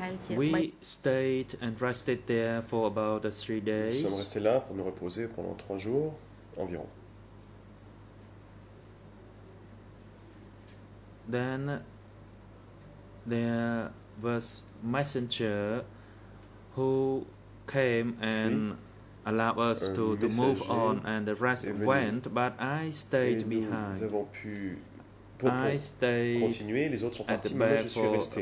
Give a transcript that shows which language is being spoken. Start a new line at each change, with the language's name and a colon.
English: We stayed and rested there for about 3 days.
French: Nous sommes restés là pour nous reposer pendant 3 jours environ.
English: Then there was messenger who came and allowed us to move on, and the rest went, but I stayed behind.
French: Nous avons pu continuer, les autres sont partis, mais moi je suis resté.